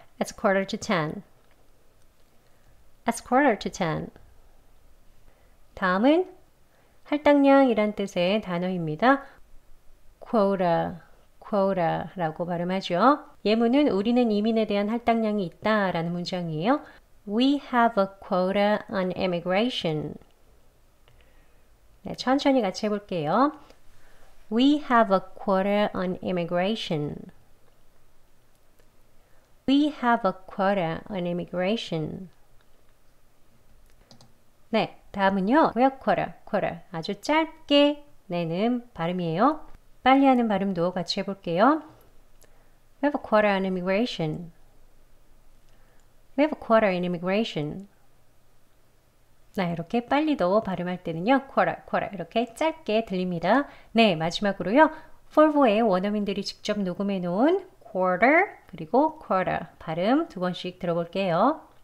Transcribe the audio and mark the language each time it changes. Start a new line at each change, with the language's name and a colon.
English: It's quarter to ten. It's quarter to ten.
Korean: 다음은 할당량이란 뜻의 단어입니다. quota, quota라고 발음하죠. 예문은 우리는 이민에 대한 할당량이 있다라는 문장이에요.
English: We have a quota on immigration.
Korean: 네, 천천히 같이 해볼게요.
English: We have a quota on immigration. We have a quota on immigration.
Korean: 네, 다음은요. 코어, 코어. 아주 짧게 내는 발음이에요. 빨리 하는 발음도 같이 해볼게요.
English: We have a quota on immigration. We have a quota in immigration.
Korean: 네, 이렇게 빨리도 발음할 때는요, quota, quota 이렇게 짧게 들립니다. 네, 마지막으로요, 4VO의 원어민들이 직접 녹음해 놓은 quarter 그리고 quota 발음 두 번씩 들어볼게요.